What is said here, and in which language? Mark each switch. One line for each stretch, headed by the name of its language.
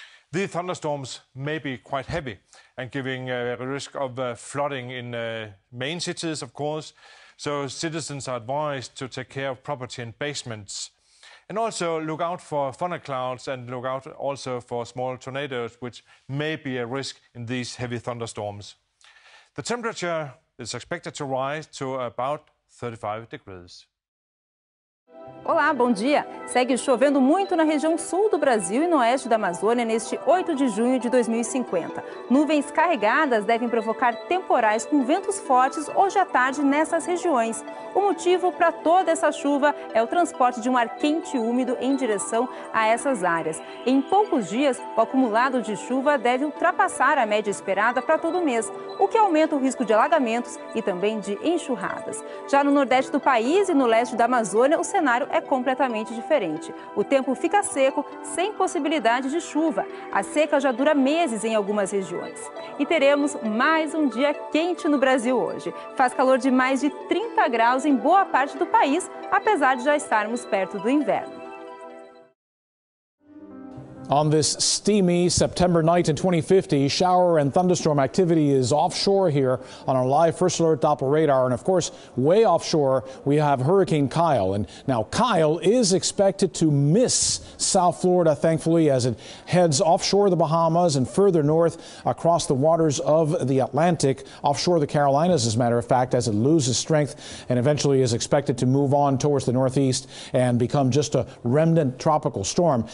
English: These thunderstorms may be quite heavy and giving a risk of flooding in main cities, of course, so citizens are advised to take care of property and basements. And also look out for funnel clouds and look out also for small tornadoes, which may be a risk in these heavy thunderstorms. The temperature is expected to rise to about 35 degrees.
Portuguese: Olá, bom dia! Segue chovendo muito na região sul do Brasil e no oeste da Amazônia neste 8 de junho de 2050. Nuvens carregadas devem provocar temporais com ventos fortes hoje à tarde nessas regiões. O motivo para toda essa chuva é o transporte de um ar quente e úmido em direção a essas áreas. Em poucos dias, o acumulado de chuva deve ultrapassar a média esperada para todo mês, o que aumenta o risco de alagamentos e também de enxurradas. Já no nordeste do país e no leste da Amazônia, o cenário é completamente diferente. O tempo fica seco, sem possibilidade de chuva. A seca já dura meses em algumas regiões. E teremos mais um dia quente no Brasil hoje. Faz calor de mais de 30 graus em boa parte do país, apesar de já estarmos perto do inverno.
English: On this steamy September night in 2050, shower and thunderstorm activity is offshore here on our live First Alert Doppler radar. And of course, way offshore, we have Hurricane Kyle. And now Kyle is expected to miss South Florida, thankfully, as it heads offshore the Bahamas and further north across the waters of the Atlantic, offshore the Carolinas, as a matter of fact, as it loses strength and eventually is expected to move on towards the northeast and become just a remnant tropical storm.